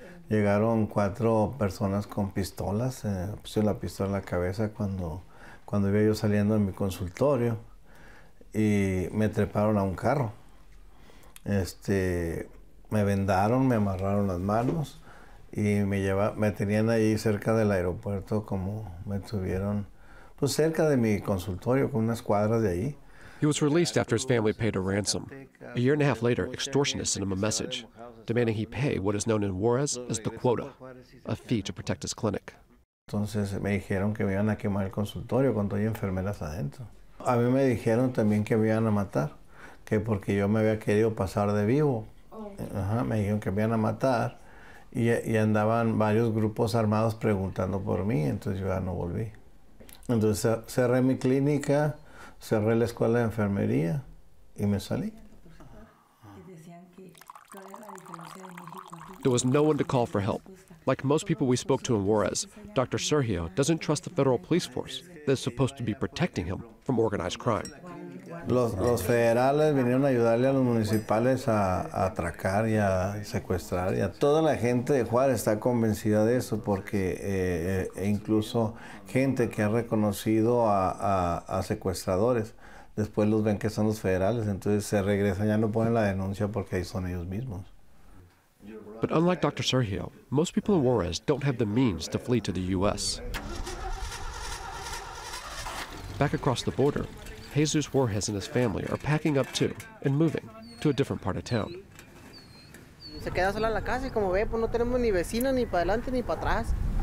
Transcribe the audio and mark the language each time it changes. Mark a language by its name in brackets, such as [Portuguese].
[Spanish] Llegaron cuatro personas con pistolas, puse la pistola en la cabeza cuando iba yo saliendo de mi consultorio y me treparon a un carro. Me vendaron, me amarraron las manos y me tenían ahí cerca del aeropuerto, como me tuvieron pues cerca de mi consultorio con unas cuadras de ahí. [English] He was released after his family paid a ransom. A year and a half later, extortionists sent him a message, demanding he pay what is known in Juarez as the quota, a fee to protect his clinic. [Spanish] Entonces me dijeron que me iban a quemar el consultorio con todas las enfermeras adentro. A mí me dijeron también que me iban a matar, que porque yo me había querido pasar de vivo. Me dijeron que me iban a matar y andaban varios grupos armados preguntando por mí, entonces yo ya no volví. Entonces cerré mi clínica, cerré la escuela de enfermería y me salí. [English] There was no one to call for help. Like most people we spoke to in Juarez, Dr. Sergio doesn't trust the federal police force that is supposed to be protecting him from organized crime. [Spanish] Los federales vinieron a ayudarle a los municipales a atracar y a secuestrar. Y a toda la gente de Juárez está convencida de eso porque incluso gente que ha reconocido a secuestradores, después los ven que son los federales, entonces se regresan, ya no ponen la denuncia porque ahí son ellos mismos. [English] But unlike Dr. Sergio, most people in Juarez don't have the means to flee to the U.S. Back across the border, Jesus Juarez and his family are packing up too and moving to a different part of town. [Spanish] Se queda sola la casa y como ve, pues no tenemos ni vecino ni para adelante ni para atrás.